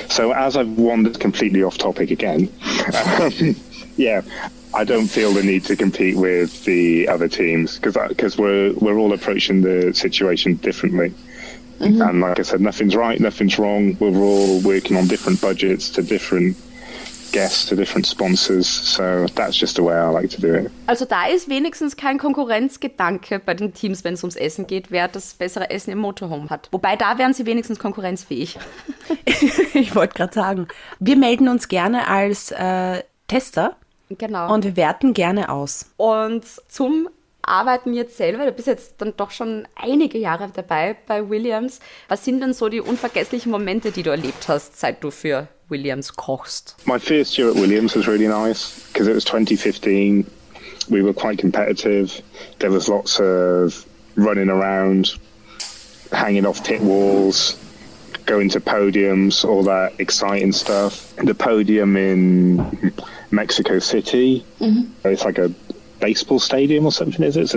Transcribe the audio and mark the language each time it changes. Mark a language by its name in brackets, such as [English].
[English] So as I've wandered completely off topic again, yeah, I don't feel the need to compete with the other teams, because we're all approaching the situation differently. Mm-hmm. And like I said, nothing's right, nothing's wrong. We're all working on different budgets to different guests, to different sponsors. So that's just the way I like to do it. [German] Also da ist wenigstens kein Konkurrenzgedanke bei den Teams, wenn es ums Essen geht, wer das bessere Essen im Motorhome hat. Wobei, da wären sie wenigstens konkurrenzfähig. Ich wollte gerade sagen, wir melden uns gerne als Tester. Genau. Und wir werten gerne aus. Und zum Arbeiten jetzt selber, du bist jetzt dann doch schon einige Jahre dabei bei Williams. Was sind denn so die unvergesslichen Momente, die du erlebt hast, seit du für Williams kochst? [English] My first year at Williams was really nice, because it was 2015. We were quite competitive. There was lots of running around, hanging off pit walls, going to podiums, all that exciting stuff. The podium in Mexico City, it's like a baseball stadium or something, is it?